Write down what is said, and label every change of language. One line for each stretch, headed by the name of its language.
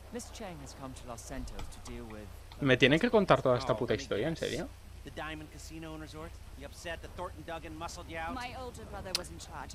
English: Miss Chang has come to Los Santos to deal with...
Spanish: ¿Me tienen que contar toda esta puta historia, en serio?
English: The Diamond Casino and Resort. You upset that Thornton Duggan muscled you out. My older brother was in charge.